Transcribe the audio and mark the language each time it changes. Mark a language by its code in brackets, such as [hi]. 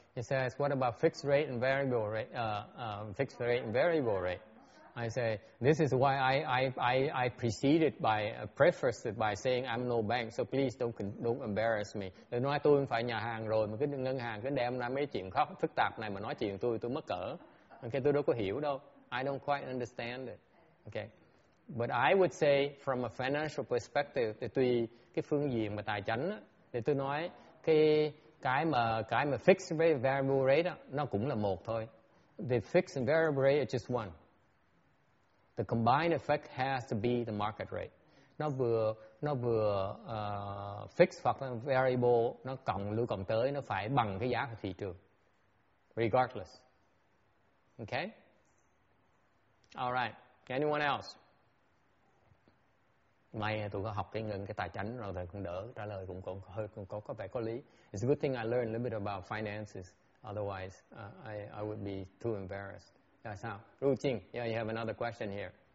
[en] He says, what about fixed rate and variable rate? Fixed rate and variable rate. I say, this is why I preceded by prefaced by saying I'm no bank, so please don't embarrass me. [vi] Tôi nói tôi không phải nhà hàng rồi, mà cái ngân hàng cứ đem ra mấy chuyện khóc phức tạp này mà nói chuyện tôi mất cỡ. Okay, tôi đâu có hiểu đâu. [en] I don't quite understand it. Okay. But I would say from a financial perspective, [vi] thì tùy cái phương diện mà tài chánh á, thì tôi nói cái mà fixed rate, variable rate á, nó cũng là một thôi. [en] The fixed and variable rate is just one. The combined effect has to be the market rate. [vi] Nó vừa fixed hoặc là variable, nó cộng lưu cộng tới, nó phải bằng cái giá của thị trường. [en] Regardless. Okay? All right. Anyone else? [vi] May tôi có học cái ngân cái tài chánh rồi thì cũng đỡ trả lời cũng có vẻ có lý. [en] It's a good thing I learned a little bit about finances. Otherwise, I would be too embarrassed. That's how. Ru Qing, yeah, you have another question here.